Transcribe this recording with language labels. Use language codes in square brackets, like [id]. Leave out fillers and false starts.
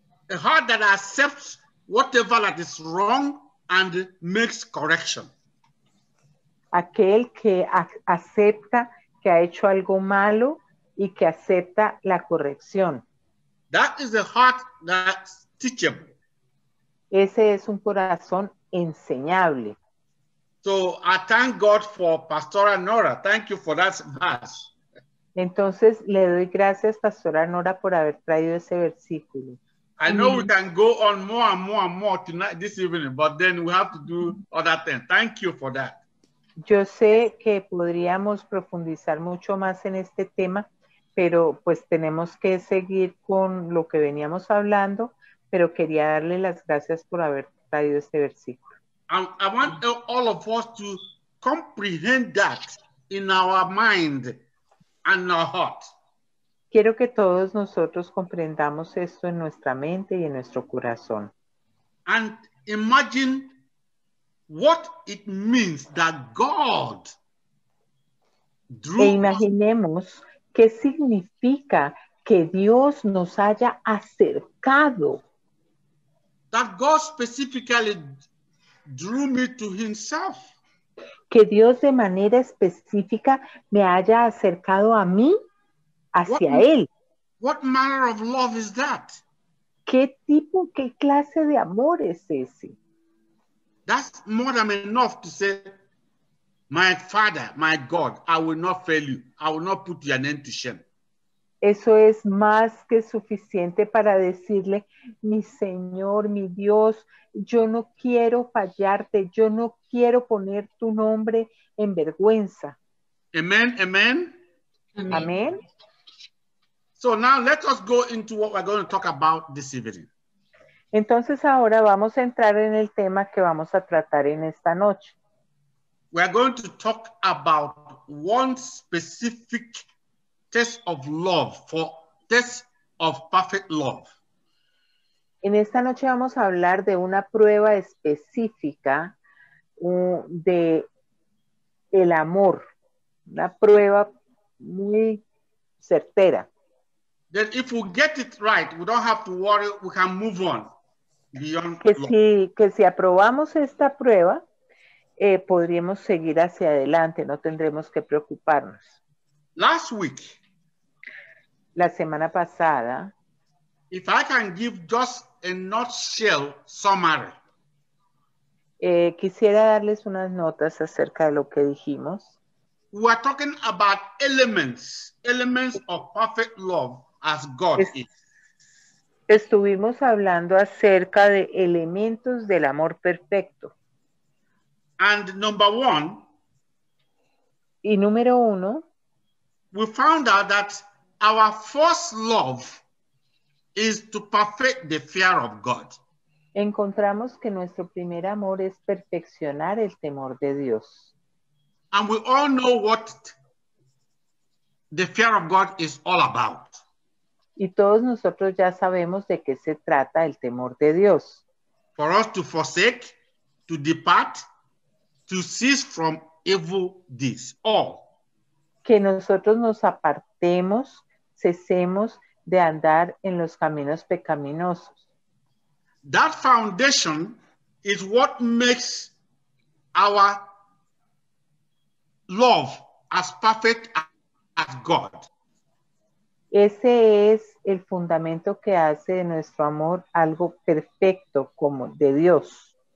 [en] A heart that accepts whatever that is wrong and makes correction. [es] Aquel que acepta que ha hecho algo malo y que acepta la corrección. [en] That is a heart that's teachable. [es] Ese es un corazón enseñable. [en] So I thank God for Pastora Nora. Thank you for that verse. [es] Entonces le doy gracias, Pastora Nora, por haber traído ese versículo. [en] I know we can go on more tonight, this evening, but then we have to do other things. Thank you for that. [es] Yo sé que podríamos profundizar mucho más en este tema, pero pues tenemos que seguir con lo que veníamos hablando, pero quería darle las gracias por haber traído este versículo. [en] I want all of us to comprehend that in our mind and our heart. [es] Quiero que todos nosotros comprendamos esto en nuestra mente y en nuestro corazón. [en] And imagine what it means that God drew. [es] E imaginemos qué significa que Dios nos haya acercado. [en] That God specifically drew me to himself. [es] Que Dios de manera específica me haya acercado a mí. Hacia él. [en] What manner of love is that? [es] ¿Qué tipo, qué clase de amor es ese? [en] That's more than enough to say, my Father, my God, I will not fail you. I will not put your name to shame. [es] Eso es más que suficiente para decirle, mi Señor, mi Dios, yo no quiero fallarte. Yo no quiero poner tu nombre en vergüenza. [en] Amen, amen. [es] Amen. Amen. [en] So now let us go into what we're going to talk about this evening. [es] Entonces ahora vamos a entrar en el tema que vamos a tratar en esta noche. [en] We are going to talk about one specific test of perfect love. [es] En esta noche vamos a hablar de una prueba específica de el amor, una prueba muy certera. [en] Then if we get it right, we don't have to worry, we can move on beyond. [es] Que si aprobamos esta prueba, podríamos seguir hacia adelante, no tendremos que preocuparnos. [en] Last week, [es] la semana pasada, [en] if I can give just a nutshell summary, [es] quisiera darles unas notas acerca de lo que dijimos. [en] We are talking about elements of perfect love. As God is. [es] Estuvimos hablando acerca de elementos del amor perfecto. [en] And number one. [es] Y número uno. [en] We found out that our first love is to perfect the fear of God. [es] Encontramos que nuestro primer amor es perfeccionar el temor de Dios. [en] And we all know what the fear of God is all about. [es] Y todos nosotros ya sabemos de qué se trata el temor de Dios. [en] For us to forsake, to depart, to cease from evil deeds. All. [es] Que nosotros nos apartemos, cesemos de andar en los caminos pecaminosos. [en] That foundation is what makes our love as perfect as God. [es] Ese es el fundamento que hace de nuestro amor algo perfecto como de Dios.